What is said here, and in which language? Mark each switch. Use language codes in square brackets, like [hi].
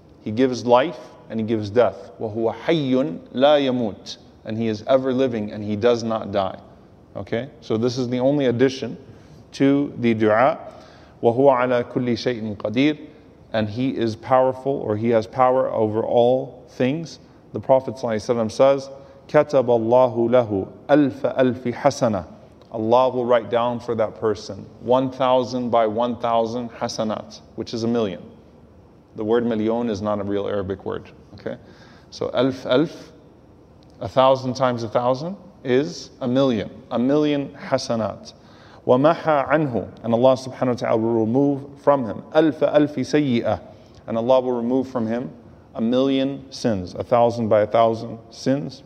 [en] He gives life and he gives death. [ar] Wa huwa hayyun la yamut. [en] And he is ever living and he does not die. Okay? So, this is the only addition to the dua. [ar] Wa huwa ala kulli shay'in qadir. [en] And he is powerful, or he has power over all things. The Prophet ﷺ says, [ar] كتب الله له ألف ألف حسنة. [en] Allah will write down for that person 1,000 by 1,000 حسنات, which is a million. The word million is not a real Arabic word. Okay, so [ar] ألف ألف, [en] 1,000 times 1,000 is a million. A million حسنات. [ar] ومحى عنه, [en] and Allah subhanahu wa ta'ala will remove from him [ar] ألف ألف سيئة, [en] and Allah will remove from him a million sins, 1,000 by 1,000 sins.